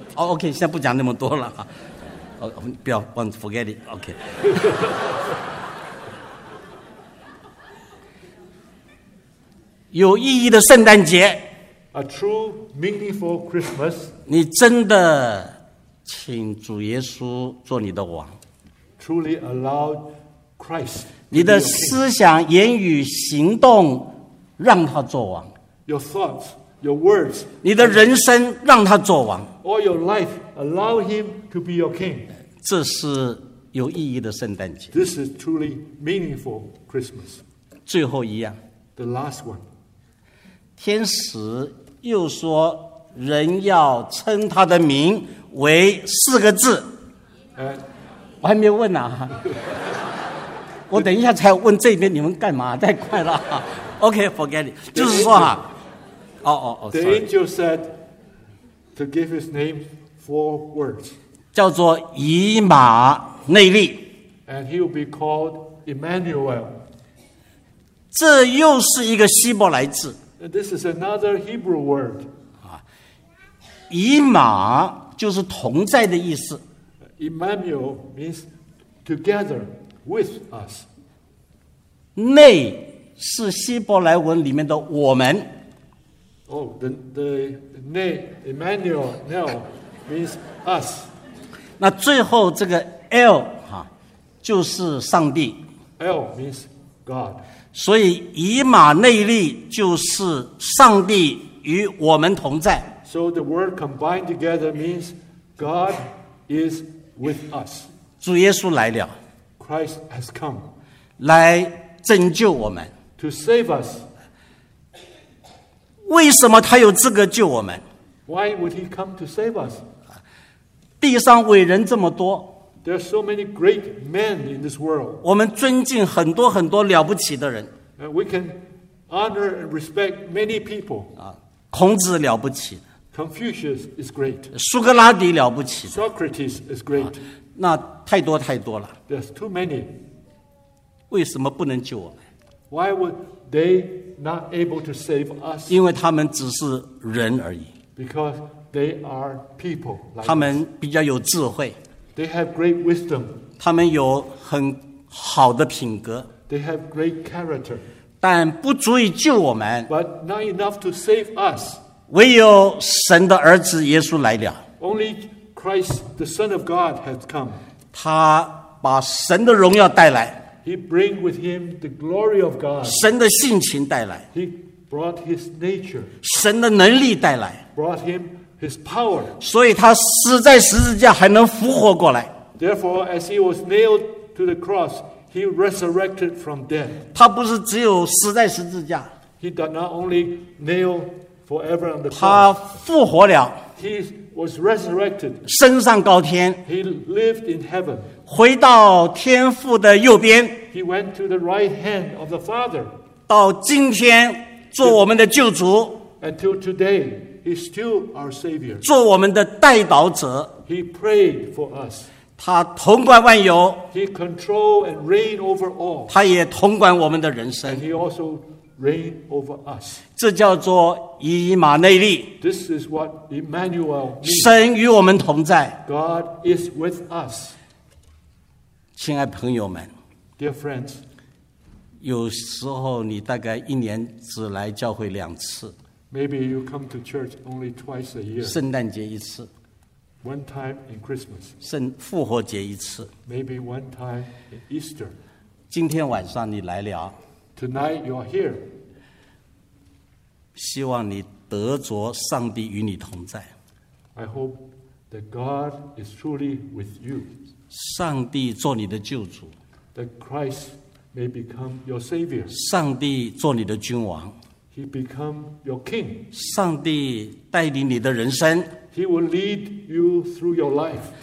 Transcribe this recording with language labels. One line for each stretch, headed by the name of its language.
Chinese: oh, OK 现在不讲那么多了、oh, 不要
English: forget it OK
Chinese: 有意义的圣诞节
English: A true meaningful Christmas
Chinese: 你真的请主耶稣做你的王
English: Truly allow Christ
Chinese: 你的思想言语行动让他做王。
English: Your thoughts, your words.
Chinese: 你的人生让他做王。
English: All your life, allow him to be your king.
Chinese: 这是有意义的圣诞节。
English: This is truly meaningful Christmas.
Chinese: 最后一样。
English: The last one.
Chinese: 天使又说人要称他的名为四个字。我还没问啊。我等一下才问这边你们干嘛，太快了。
English: OK, forget it.
Chinese: 就是说啊。
English: The angel said to give his name four words.
Chinese: 叫做以马内利。
English: And he will be called Emmanuel.
Chinese: 这又是一个希伯来字。
English: And this is another Hebrew word.
Chinese: 以马就是同在的意思。
English: Emmanuel means together with us.
Chinese: 内是希伯来文里面的我们。
English: Oh, the name Emmanuel now means us.
Chinese: 那最后这个 L 哈，就是上帝。
English: L means God.
Chinese: 所以以马内利就是上帝与我们同在。
English: So the word combined together means God is with us.
Chinese: 主耶稣来了。
English: Christ has come.
Chinese: 来拯救我们。
English: To save us.
Chinese: 为什么他有资格救我们？
English: Why would he come to save us?
Chinese: 地上伟人这么多。
English: There are so many great men in this world.
Chinese: 我们尊敬很多很多了不起的人。
English: We can honor and respect many people.
Chinese: 孔子了不起。
English: Confucius is great.
Chinese: 苏格拉底了不起。
English: Socrates is great.
Chinese: 那太多太多了。
English: There's too many.
Chinese: 为什么不能救我们？
English: Why would they not able to save us?
Chinese: 因为他们只是人而已。
English: Because they are people.
Chinese: 他们比较有智慧。
English: They have great wisdom.
Chinese: 他们有很好的品格。
English: They have great character.
Chinese: 但不足以救我们。
English: But not enough to save us.
Chinese: 唯有神的儿子耶稣来了。
English: Only Christ, the Son of God, has come.
Chinese: 他把神的荣耀带来。
English: He bring with him the glory of God.
Chinese: 神的性情带来。
English: He brought his nature.
Chinese: 神的能力带来。
English: Brought him his power.
Chinese: 所以他死在十字架还能复活过来。
English: Therefore, as he was nailed to the cross, he resurrected from death.
Chinese: 他不是只有死在十字架。
English: He did not only nail forever on the cross.
Chinese: 他复活了。
English: He was resurrected.
Chinese: 升上高天。
English: He lived in heaven.
Chinese: 回到天父的右边。
English: He went to the right hand of the Father.
Chinese: 到今天做我们的救主。
English: Until today, he's still our Savior.
Chinese: 做我们的代祷者。
English: He prayed for us.
Chinese: 他统管万有。
English: He controlled and reigned over all.
Chinese: 他也统管我们的人生。
English: And he also reigned over us.
Chinese: 这叫做以马内利。
English: This is what Emmanuel means.
Chinese: 神与我们同在。
English: God is with us.
Chinese: 亲爱朋友们
English: Dear friends,
Chinese: 有时候你大概一年只来教会两次
English: Maybe you come to church only twice a year
Chinese: 圣诞节一次
English: One time in Christmas
Chinese: 复活节一次
English: Maybe one time in Easter
Chinese: 今天晚上你来了
English: Tonight you are here
Chinese: 希望你得着上帝与你同在
English: I hope that God is truly with you
Chinese: 上帝做你的救主
English: That Christ may become your Savior
Chinese: 上帝做你的君王
English: He become your King
Chinese: 上帝带领你的人生
English: He will lead you through your life